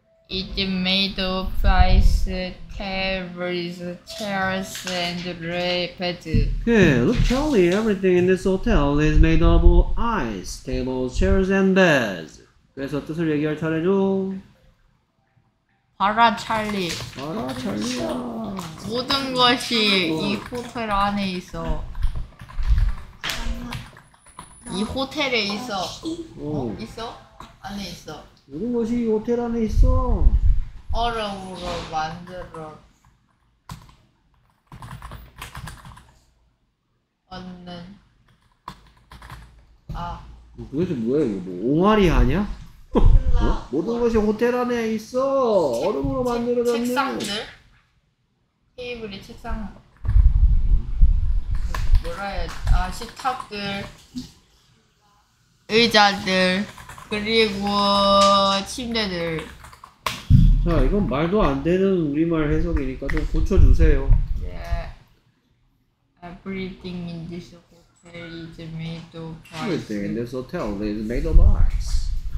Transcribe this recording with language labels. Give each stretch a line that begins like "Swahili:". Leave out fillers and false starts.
English: It made of ice tables, chairs, and beds. Okay, look jolly. Everything in this hotel is made of ice tables, chairs, and beds.
Korean: 그래서 뜻을 얘기할 차례죠. 봐라 찰리. 봐라 찰리야. 모든 것이 이 호텔 안에 있어. 이 호텔에 있어. 어, 있어? 안에 있어. 모든 것이 이 호텔 안에 있어. 얼음으로 만들어. 얻는. 아. 도대체 뭐야 이거? 뭐 옹알이 아니야? 어? 모든 것이 호텔 안에 있어. 얼음으로 만들어졌네. 책상들? 테이블이 책상. 뭐라 해야, 아, 식탁들. 의자들. 그리고 침대들. 자, 이건 말도 안 되는 우리말 해석이니까 좀 고쳐주세요.
English: Yeah. Everything in this hotel is made of ice. Everything in this hotel is made of ice.